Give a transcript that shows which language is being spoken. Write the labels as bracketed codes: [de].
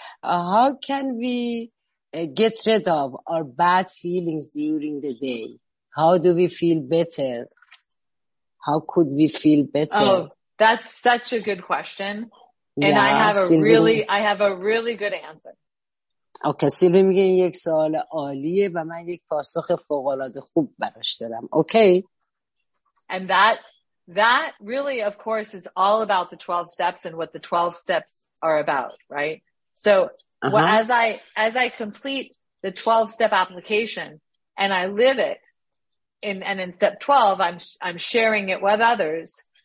[en] How can we get rid of our bad feelings during the day? How do we feel better? How could we feel better? Oh, that's such a good question. And yeah, I have a really good answer. [fa] Okay, Silvi میگه این یک سوال عالیه و من یک پاسخ فوق‌العاده خوب براش دارم. [en] Okay. And that really, of course, is all about the 12 steps and what the 12 steps are about, right? So well, as I complete the 12 step application and I live it in step 12, I'm sharing it with others.